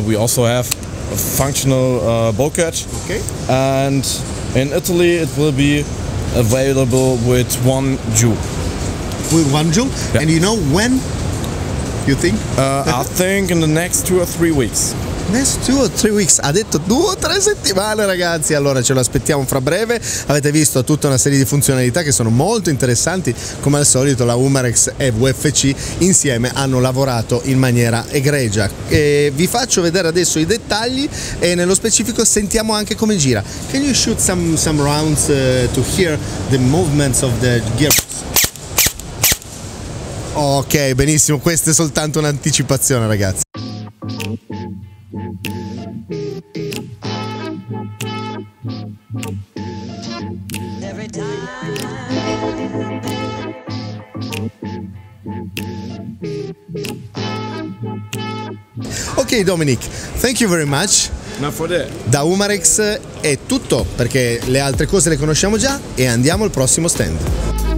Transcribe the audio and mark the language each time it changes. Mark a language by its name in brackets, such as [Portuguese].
[English] We also have a functional bolt catch. Okay. And in Italy, it will be available with 1 joule. With 1 joule? Yeah. And you know when, you think? I think in the next 2 or 3 weeks. Next 2 or 3 weeks, [Italian] ha detto 2 o 3 settimane ragazzi, allora ce lo aspettiamo fra breve, avete visto tutta una serie di funzionalità che sono molto interessanti, come al solito la Umarex e WFC insieme hanno lavorato in maniera egregia, e vi faccio vedere adesso i dettagli e nello specifico sentiamo anche come gira. [English] Can you shoot some rounds to hear the movements of the gear? [Italian] Ok, benissimo, questa è soltanto un'anticipazione ragazzi. [English] Okay, Dominic, thank you very much. Not for that. [Italian] Da Umarex è tutto, perché le altre cose le conosciamo già e andiamo al prossimo stand.